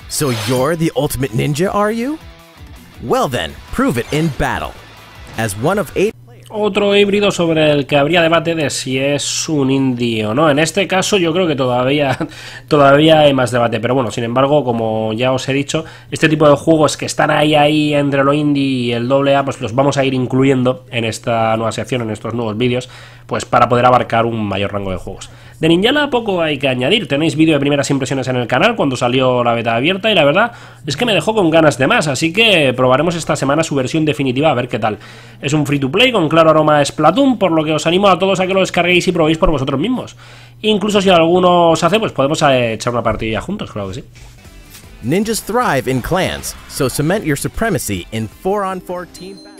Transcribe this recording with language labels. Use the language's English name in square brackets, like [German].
[English] So you're the ultimate ninja, are you? Well then, prove it in battle. As one of eight. [Spanish] Otro híbrido sobre el que habría debate de si es un indie o no. En este caso yo creo que todavía hay más debate, pero bueno, sin embargo, como ya os he dicho, este tipo de juegos que están ahí entre lo indie y el doble A, pues los vamos a ir incluyendo en esta nueva sección, en estos nuevos vídeos, pues para poder abarcar un mayor rango de juegos. De Ninjala poco hay que añadir, tenéis vídeo de primeras impresiones en el canal cuando salió la beta abierta y la verdad es que me dejó con ganas de más, así que probaremos esta semana su versión definitiva a ver qué tal. Es un free to play con claro aroma a Splatoon, por lo que os animo a todos a que lo descarguéis y probéis por vosotros mismos. Incluso si alguno os hace, pues podemos echar una partida juntos, claro que sí. [English] Ninjas thrive in clans, so cement your supremacy in 4-on-4 team.